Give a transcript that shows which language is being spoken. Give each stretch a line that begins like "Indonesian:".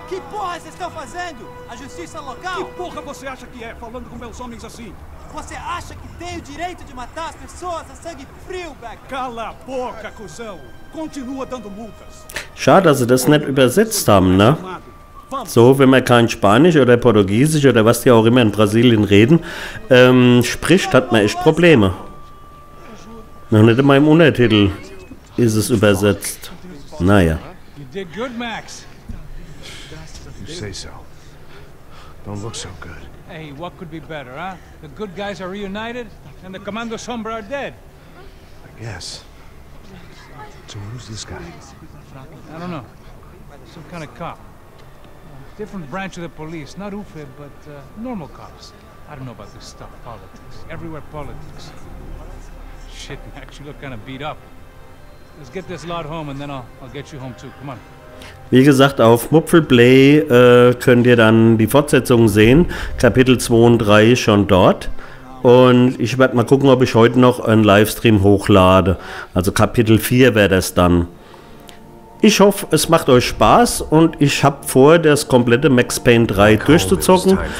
Portuguese: Que porra vocês estão fazendo? A justiça local? Que porra você acha que é falando com meus homens assim? Você acha que tem o direito de matar as pessoas a sangue frio, Becker? Cala a boca, cuzão! Continua dando multas!
German: Schade, dass sie das nicht übersetzt haben, ne? So, wenn man kein Spanisch oder Portugiesisch oder was die auch immer in Brasilien reden, spricht, hat man echt Probleme. Noch nicht in meinem Untertitel ist es übersetzt. Naja.
English: You say so. Don't look so good. Hey, what could be better, huh? The good guys are reunited and the Commando Sombra are dead. I guess. So who's this guy? I don't know. Some kind of cop. Different branch of the police. Not UFE, but normal cops. I don't know about this stuff. Politics. Everywhere politics. Shit, Max, you look kind of beat up. Let's get this lot home and then I'll get you home too. Come on.
German: Wie gesagt, auf Mupfelplay könnt ihr dann die Fortsetzung sehen. Kapitel 2 und 3 schon dort. Und ich werde mal gucken, ob ich heute noch einen Livestream hochlade. Also Kapitel 4 wäre das dann. Ich hoffe, es macht euch Spaß und ich habe vor, das komplette Max Payne 3 durchzuzocken.